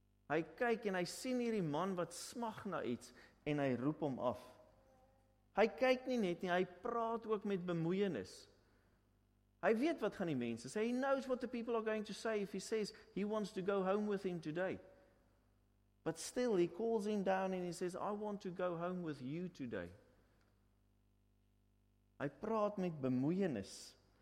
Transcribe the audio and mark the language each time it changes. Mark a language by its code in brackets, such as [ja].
[af] Hy kyk en hy sien hierdie man wat smag na iets en hy roep hom af. Hy kyk nie net nie, hy praat ook met bemoeienis. Hy weet wat gaan die mense sê. [en] He knows what the people are going to say if he says he wants to go home with him today. But still, he calls him down and he says, I want to go home with you today. [af] Hy praat met bemoeienis.